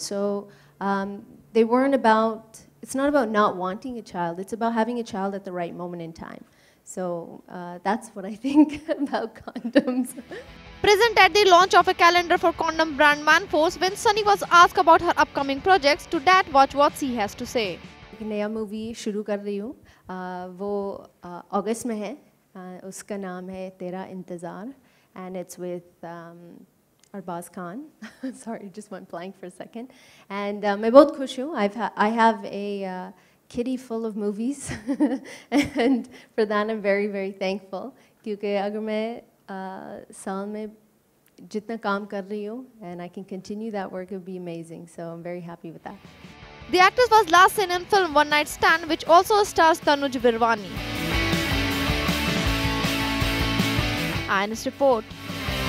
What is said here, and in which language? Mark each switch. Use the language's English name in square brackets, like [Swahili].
[English] So it's not about not wanting a child, it's about having a child at the right moment in time. So that's what I think about condoms. Present at the launch of a calendar for condom brand ManForce, when Sunny was asked about her upcoming projects, to that watch what she has to say. [Hindi] एक नया movie शुरू कर रही हूँ वो अगस्त में है उसका नाम है तेरा इंतज़ार [English] and it's with Arbaaz Khan sorry just one plank for second and [Hindi] मैं बहुत खुश हूँ [English] I have a kitty full of movies and for that I am very very thankful [Hindi] क्योंकि अगर मैं साल में जितना काम कर रही हूँ [English] And I can continue that work will be amazing so I am very happy with that. The actress was last seen in film One Night Stand, which also stars Tanuj Virwani. Ayan's report.